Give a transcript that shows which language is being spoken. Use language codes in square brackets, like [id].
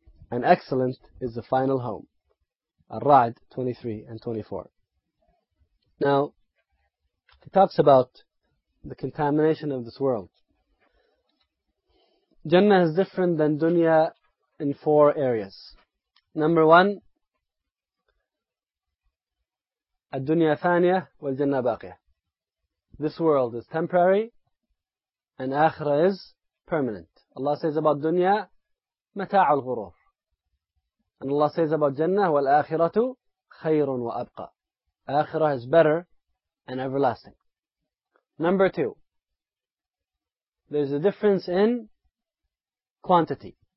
[en] And excellent is the final home. Ar-Ra'd 23 and 24. Now, he talks about the contamination of this world. Jannah is different than dunya in four areas. Number one, [ar] الدُّنْيَا ثَانِيَةً وَالْجَنَّةَ بَاقِيَةً. [en] This world is temporary and akhirah is permanent. Allah says about dunya, [ar] مَتَاعُ الْغُرُورِ. [en] And Allah says about Jannah, [ar] وَالْآخِرَةُ خَيْرٌ وَأَبْقَى. [en] Akhirah is better and everlasting. Number two, there's a difference in quantity.